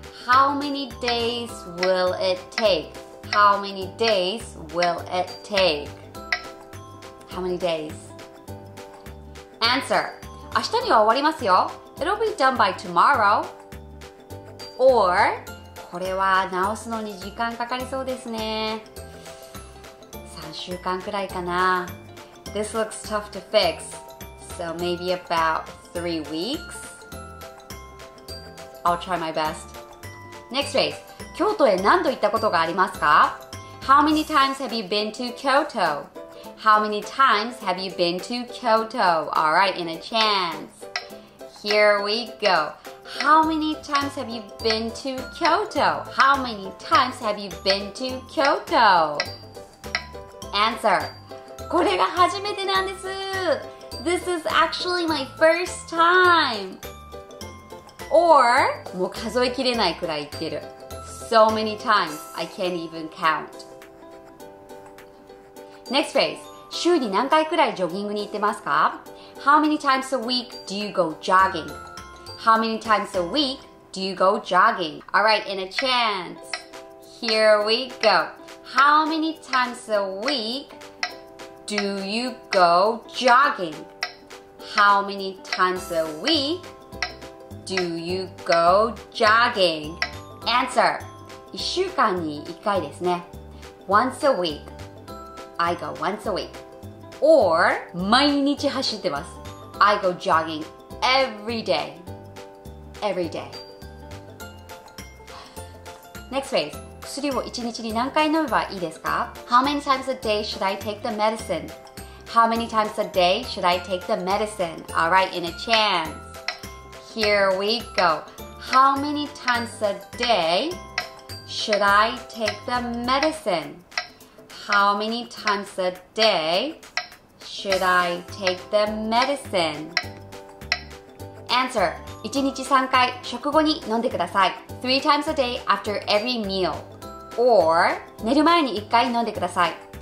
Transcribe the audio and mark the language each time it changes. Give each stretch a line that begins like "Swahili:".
English: How many days will it take? How many days will it take? How many days? Answer.
Japanese: 明日には終わりますよ。
English: It'll be done by tomorrow. Or...
Japanese: これは直すのに時間かかりそうですね。 3週間くらいかな。
English: This looks tough to fix, so maybe about 3 weeks? I'll try my best. Next phrase.
Japanese: 京都へ何度行ったことがありますか?
English: How many times have you been to Kyoto? How many times have you been to Kyoto? Alright, in a chance. Here we go. How many times have you been to Kyoto? How many times have you been to Kyoto? Answer.
Japanese: これが初めてなんです。
English: This is actually my first time. Or,
Japanese: もう数えきれないくらい行ってる。
English: So many times, I can't even count. Next phrase.
Japanese: 週に何回くらいジョギングに行ってますか?
English: How many times a week do you go jogging? How many times a week do you go jogging? All right, in a chance. Here we go. How many times a week do you go jogging? How many times a week do you go jogging? Answer.
Japanese: 一週間に一回ですね。
English: Once a week. I go once a week. Or,
Japanese: 毎日走ってます。
English: I go jogging every day. Every day. Next phrase.
Japanese: 薬を1日に何回飲めばいいですか?
English: How many times a day should I take the medicine? How many times a day should I take the medicine? All right, in a chance. Here we go. How many times a day should I take the medicine? How many times a day should I take the medicine? Answer.
Japanese: 1日3回食後に飲んでください。
English: 3 times a day after every meal. Or,
Japanese: 寝る前に1回飲んでください。